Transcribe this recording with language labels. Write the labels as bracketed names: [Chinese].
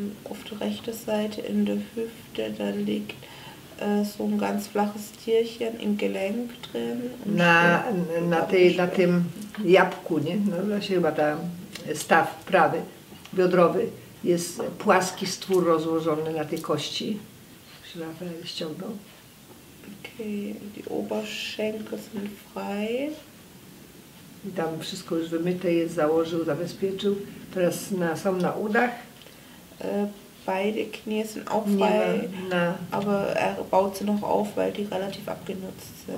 [German] Auf der rechten Seite in der Hüfte, da liegt so ein ganz flaches Tierchen im Gelenk drin. [Polish] Na tym jabłku, nie? No właśnie chyba ta staw prawy, biodrowy. Jest płaski stwór rozłożony na tej kości. Się ściągnął. [German] Okay, die Oberschenkel sind frei. [Polish] I tam wszystko już wymyte jest, założył, zabezpieczył. Teraz są na udach. [German] Beide Knie sind auch frei, aber er baut sie noch auf, weil die relativ abgenutzt sind.